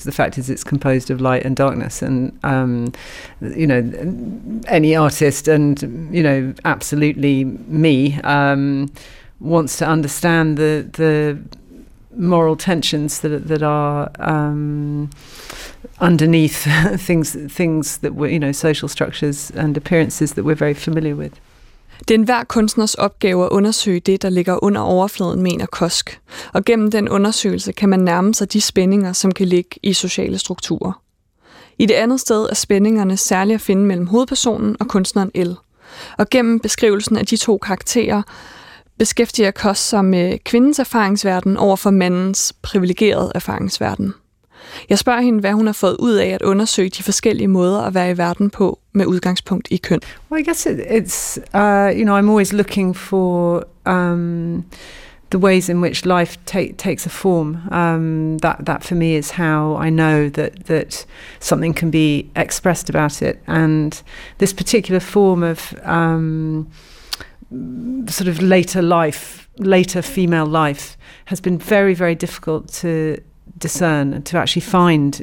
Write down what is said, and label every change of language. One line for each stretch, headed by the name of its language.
English: The fact is it's composed of light and darkness, and you know, any artist, and you know, absolutely me, wants to understand the moral tensions that are underneath things that we, you know, social structures and appearances that we're very familiar with.
Danish: Det er enhver kunstners opgave at undersøge det, der ligger under overfladen, mener Cusk. Og gennem den undersøgelse kan man nærme sig de spændinger, som kan ligge i sociale strukturer. I det andet sted er spændingerne særligt at finde mellem hovedpersonen og kunstneren L. Og gennem beskrivelsen af de to karakterer beskæftiger Cusk sig med kvindens erfaringsverden over for mandens privilegerede erfaringsverden. Jeg spørger hende, hvad hun har fået ud af at undersøge de forskellige måder at være i verden på, med udgangspunkt i køn.
English: Well, I guess it's you know, I'm always looking for the ways in which life takes a form. That for me is how I know that something can be expressed about it. And this particular form of sort of later life, later female life, has been very, very difficult to discern and to actually find.